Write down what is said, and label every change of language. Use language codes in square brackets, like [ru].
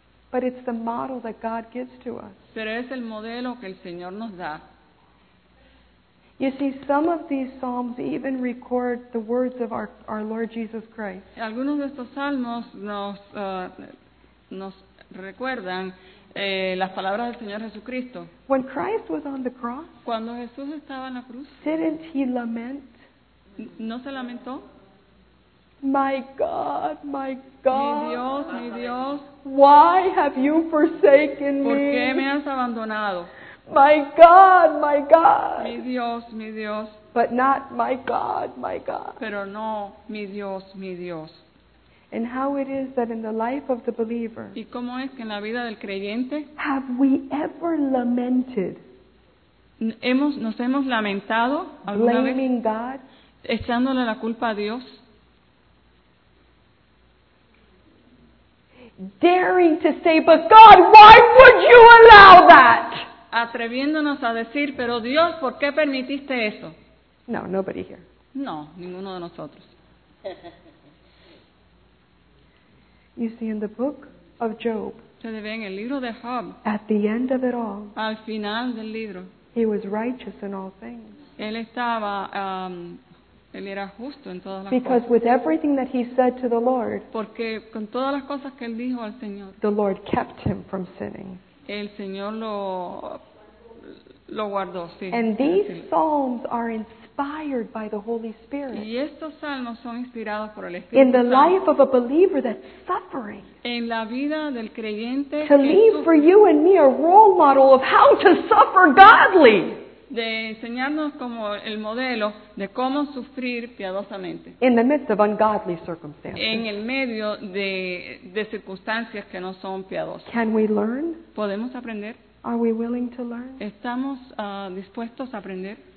[en] But it's the model that God gives to us. [es] Pero es el modelo que el Señor nos da. [en] You see, some of these psalms even record the words of our Lord Jesus Christ. [es] Algunos de estos salmos nos recuerdan las palabras del Señor Jesucristo. [en] When Christ was on the cross, [es] cuando Jesús estaba en la cruz, [en] didn't he lament? [es] ¿No se lamentó? [en] My God, my God. [es] Mi Dios, [en] why have you forsaken me? [es] ¿Por qué me has abandonado? [en] My God, my God. [es] Mi Dios, mi Dios. [en] But not my God, my God. [es] Pero no, mi Dios, mi Dios. [en] And how it is that in the life of the believer? [es] ¿Y cómo es que en la vida del creyente? [en] Have we ever lamented? [es] Nos hemos lamentado alguna [en] blaming Blaming God? [es] Echándole la culpa a Dios? [en] Daring to say, but God, why would you allow that? [es] Atreviéndonos a decir, pero Dios, ¿por qué permitiste eso? [en] No, nobody here. [es] No, ninguno de nosotros. [en] You see, in the book of Job, [es] se ve en el libro de Job, [en] at the end of it all, [es] al final del libro, [en] he was righteous in all things. [es] Él estaba, él era justo en todas las [en] because [es] cosas. [en] Because with everything that he said to the Lord, [es] porque con todas las cosas que él dijo al Señor, [en] the Lord kept him from sinning. [es] El Señor lo guardó, sí. [en] And these psalms are inspired by the Holy Spirit. [es] Y estos salmos son inspirados por el Espíritu [en] Santo. In the life of a believer that's suffering. [es] En la vida del creyente. [en] To leave for you and me a role model of how to suffer godly. [es] De enseñarnos como el modelo de cómo sufrir piadosamente. [en] In the midst of ungodly circumstances. [es] En el medio de circunstancias que no son piadosas. [en] Can we learn? [es] ¿Podemos aprender? [en] Are we willing to learn? [es] ¿Estamos dispuestos a aprender?